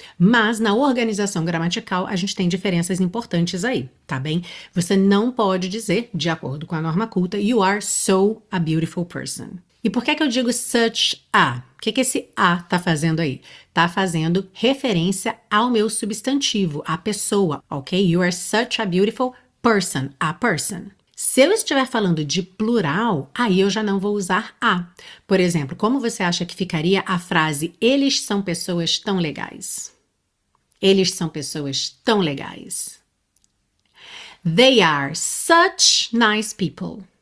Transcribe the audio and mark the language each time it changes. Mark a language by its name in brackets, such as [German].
[Portuguese] Mas na organização gramatical, a gente tem diferenças importantes aí, tá bem? Você não pode dizer, de acordo com a norma culta, [English] you are so a beautiful person. [Portuguese] E por que é que eu digo such a? O que que esse a tá fazendo aí? Tá fazendo referência ao meu substantivo, à pessoa, ok? [English] You are such a beautiful person, a person. [Portuguese] Se eu estiver falando de plural, aí eu já não vou usar a. Por exemplo, como você acha que ficaria a frase eles são pessoas tão legais? Eles são pessoas tão legais. [English] They are such nice people.